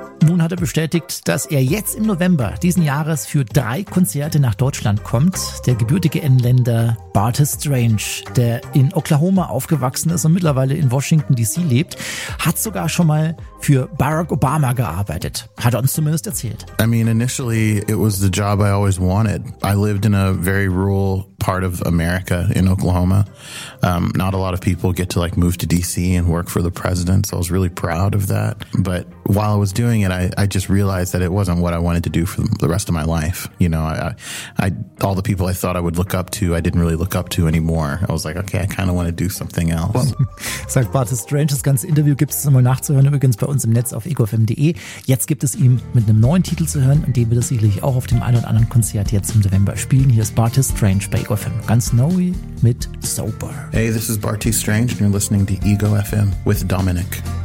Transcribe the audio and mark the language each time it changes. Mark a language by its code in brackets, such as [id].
[de] Nun hat er bestätigt, dass er jetzt im November diesen Jahres für 3 Konzerte nach Deutschland kommt. Der gebürtige Engländer Barty Strange, der in Oklahoma aufgewachsen ist und mittlerweile in Washington DC lebt, hat sogar schon mal für Barack Obama gearbeitet, hat er uns zumindest erzählt. [en] I mean, initially it was the job I always wanted. I lived in a very rural part of America in Oklahoma. Not a lot of people get to like move to DC and work for the president, so I was really proud of that. But while I was doing it, I just realized that it wasn't what I wanted to do for the rest of my life. You know, I all the people I thought I would look up to, I didn't really look up to anymore. I was like, okay, I kind of want to do something else. Well, [de] sagt Barty Strange, das ganze Interview gibt es immer nachzuhören übrigens bei uns im Netz auf egofm.de. Jetzt gibt es ihn mit einem neuen Titel zu hören und den wird er sicherlich auch auf dem einen oder anderen Konzert jetzt im November spielen. Hier ist Barty Strange bei egofm. Ganz neu mit Sober. [en] Hey, this is Barty Strange and you're listening to Ego FM with Dominic.